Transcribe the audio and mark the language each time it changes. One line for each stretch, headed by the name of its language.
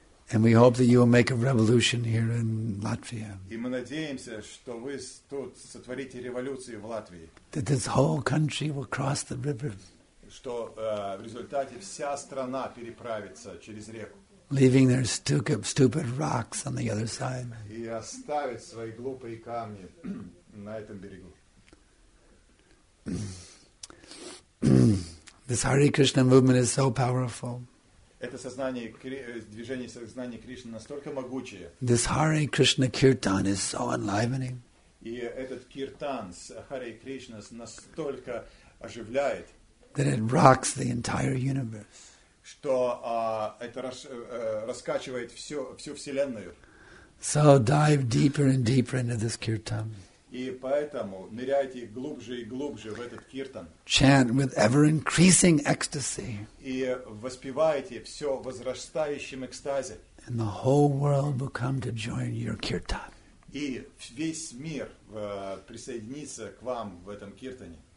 English: And we hope that you will make a revolution here in Latvia.
Russian: И мы надеемся, что вы тут сотворите революцию в Латвии.
English: That this whole country will cross the river.
Russian: Что в результате вся страна переправится через реку.
English: Leaving their stupid rocks on the other side.
Russian: И оставить свои глупые камни на этом берегу.
English: This Hare Krishna movement is so powerful.
Russian: Это сознание, движение сознания Кришны настолько могучее.
English: This Hare Krishna kirtan is so enlivening.
Russian: И этот киртан с Hare Krishna настолько оживляет.
English: That it rocks the entire universe.
Russian: Что это раскачивает всю вселенную.
English: So dive deeper and deeper into this kirtan.
Russian: И поэтому ныряйте глубже и глубже в этот киртан.
English: Chant with ever-increasing ecstasy.
Russian: И воспевайте все возрастающим экстазе.
English: And the whole world will come to join your kirtan.
Russian: И весь мир присоединится к вам в этом киртане.